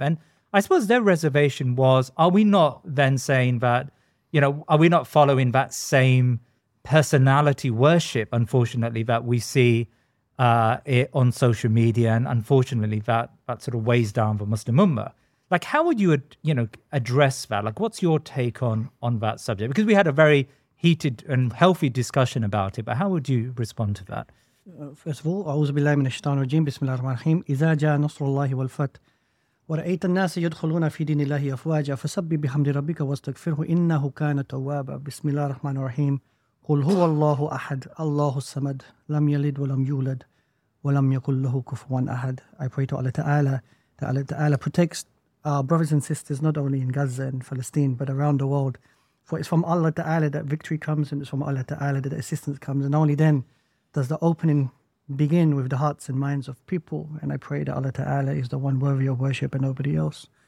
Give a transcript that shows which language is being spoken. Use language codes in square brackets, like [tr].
[en] And I suppose their reservation was, are we not then saying that, you know, are we not following that same personality worship, unfortunately, that we see it on social media? And unfortunately, that sort of weighs down the Muslim Ummah. Like, how would you, you know, address that? Like, what's your take on that subject? Because we had a very heated and healthy discussion about it, but how would you respond to that? First of all, [ar] أعوذ بالله من الشيطان الرجيم بسم الله الرحمن الرحيم إذا جاء نصر الله والفتح ورأيت الناس يدخلون في دين الله أفواجا فسبح بحمد ربك واستغفره إنه كان توابا بسم الله الرحمن الرحيم قل هو الله أحد الله الصمد لم يلد ولم يولد ولم يكن له كفوا أحد. [en] I pray to Allah Ta'ala that Allah Ta'ala protects our brothers and sisters not only in Gaza and Palestine but around the world For it's from Allah Ta'ala that victory comes, and it's from Allah Ta'ala that assistance comes. And only then does the opening begin with the hearts and minds of people. And I pray that Allah Ta'ala is the one worthy of worship and nobody else.